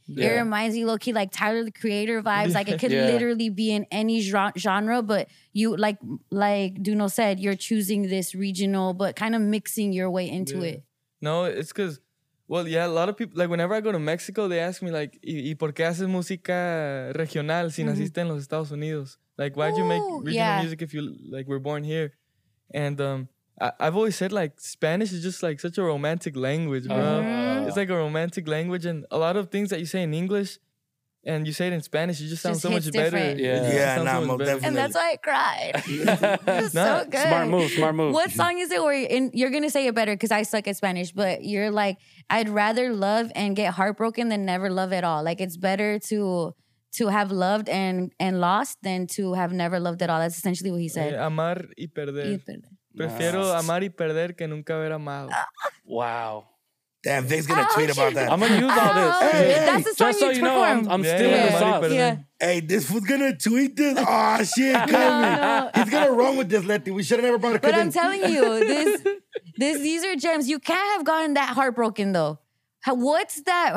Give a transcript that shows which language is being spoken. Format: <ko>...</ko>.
<en>Yeah. It reminds me low-key like Tyler, the Creator vibes. Like it could literally be in any genre. But you like Duno said, you're choosing this regional. But kind of mixing your way into it. No, it's because... Well, a lot of people... Like whenever I go to Mexico, they ask me like...</en> <es>¿Y por qué haces música regional si naciste en los Estados Unidos?</es> <en>Like why'd you make regional music if you like were born here? And I've always said, like, Spanish is just, like, such a romantic language, bro. Mm-hmm. It's, like, a romantic language. And a lot of things that you say in English and you say it in Spanish, it just sounds just so much different. Better. Yeah, no, so much definitely. And that's why I cried. It's so good. Smart move. What song is it where you're going to say it better because I suck at Spanish, but you're, like, I'd rather love and get heartbroken than never love at all. Like, it's better to have loved and lost than to have never loved at all. That's essentially what he said.</en> <es>Amar y perder. Prefiero amar y perder que nunca haber amado.</es> <en>Wow. Damn, Vic's gonna tweet about that. I'm gonna use all this. Hey. That's the just so you know, I'm still in the sauce. Hey, this fool's gonna tweet this? Oh, shit, coming. No, no. He's gonna run with this, Letty. We should have never brought it. But I'm telling you, these are gems. You can't have gotten that heartbroken, though. What's that?</en>